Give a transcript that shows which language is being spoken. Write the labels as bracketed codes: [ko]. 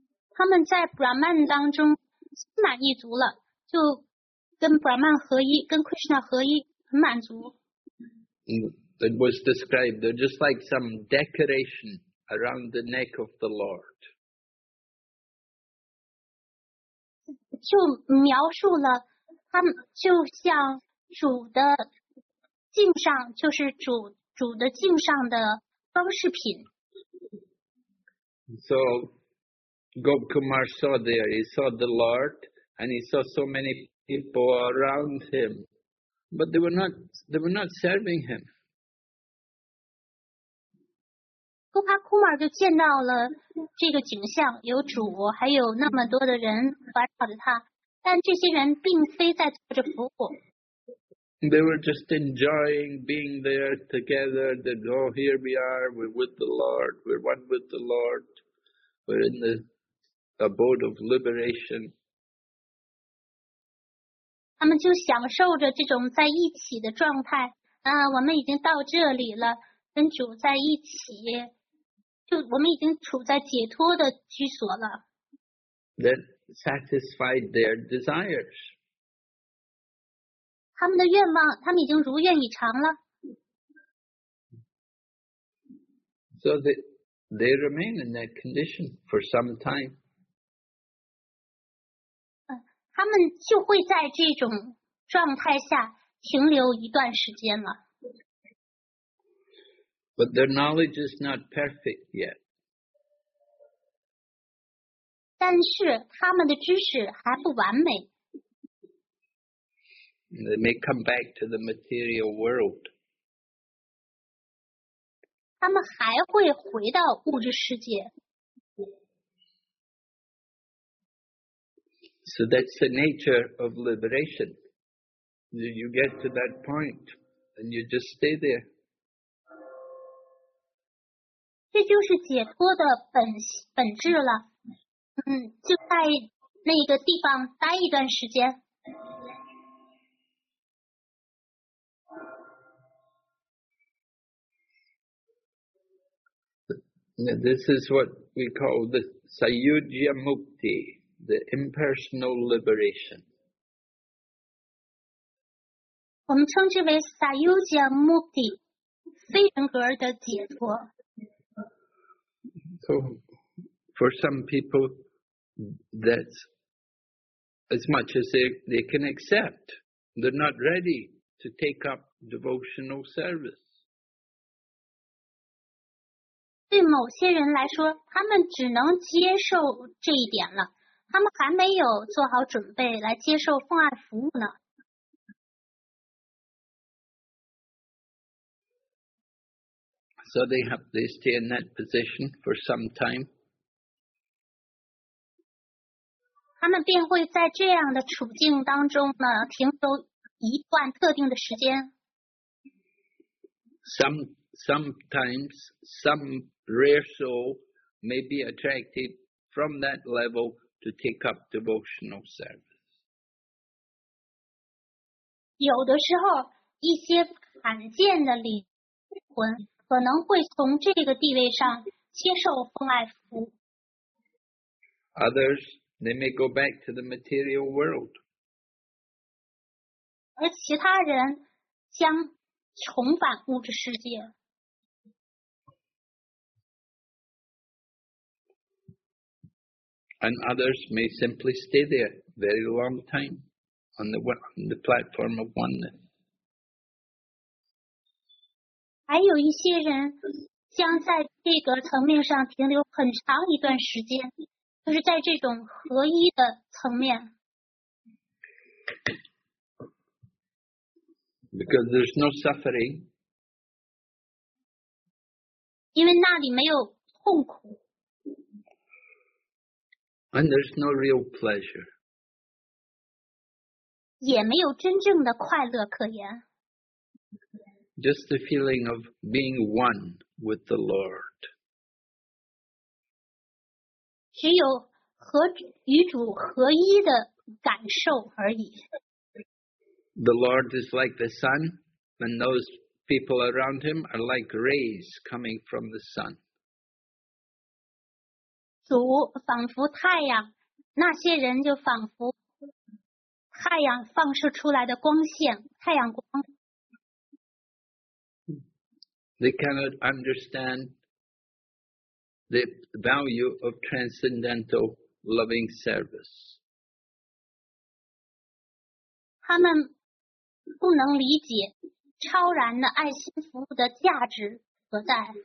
[zh] 他们在 Brahman 当中心满意足了，就跟 Brahman 合一，跟 Krishna 合一，很满足。 [en] It was described, they're just like some decoration around the neck of the Lord. [zh] 就描述了他们就像主的颈上，就是主的颈上的装饰品。 [en] So,Gop Kumar saw there, he saw the Lord, and he saw so many people around him, but they were not serving him. [zh] Gop Kumar 就见到了这个景象，有主，还有那么多的人围绕着他，但这些人并非在做着服务。 [en] They were just enjoying being there together, that, oh, here we are, we're with the Lord, we're one with the Lord, we're in the abode of liberation. [zh] 他们就享受着这种在一起的状态。啊，我们已经到这里了，跟主在一起，就我们已经处在解脱的居所了。 [en] That satisfied their desires. [zh] 他们的愿望，他们已经如愿以偿了。 [en] So they remain in that condition for some time. [zh] 他们就会在这种状态下停留一段时间了。 [en] But their knowledge is not perfect yet. [zh] 但是他们的知识还不完美。 [en] They may come back to the material world. [zh] 他们还会回到物质世界。 [en] So that's the nature of liberation. You get to that point and you just stay there. [zh] 这就是解脱的本质了，就在那个地方待一段时间。 [en] This is what we call the Sayujya Mukti, the impersonal liberation. [zh] 我们称之为 Sayujya Mukti, 非人格的解脱。 [en] So, for some people, that's as much as they can accept. They're not ready to take up devotional service. [zh] 对某些人来说，他们只能接受这一点了。他们还没有做好准备来接受奉爱服务呢。 [en] So they stay in that position for some time. [zh] 他们便会在这样的处境当中呢，停留一段特定的时间。 [en] Sometimes some rare soul may be attracted from that level to take up devotional service. [zh] 有的时候，一些罕见的灵魂可能会从这个地位上接受奉爱服务。 [en] Others, they may go back to the material world. [zh] 而其他人将重返物质世界。 [en] And others may simply stay there very long time on the platform of oneness. [zh] 还有一些人将在这个层面上停留很长一段时间，就是在这种合一的层面。 [en] Because there's no suffering. [zh] 因为那里没有痛苦。 [en] And there's no real pleasure. [zh] 也没有真正的快乐可言。 [en] Just the feeling of being one with the Lord. [zh] 只有和与主合一的感受而已。 [en] The Lord is like the sun, and those people around him are like rays coming from the sun. [zh] 主仿佛太阳，那些人就仿佛太阳放射出来的光线，太阳光。 [en] They cannot understand the value of transcendental loving service. [zh] 他们不能理解超然的爱心服务的价值何在。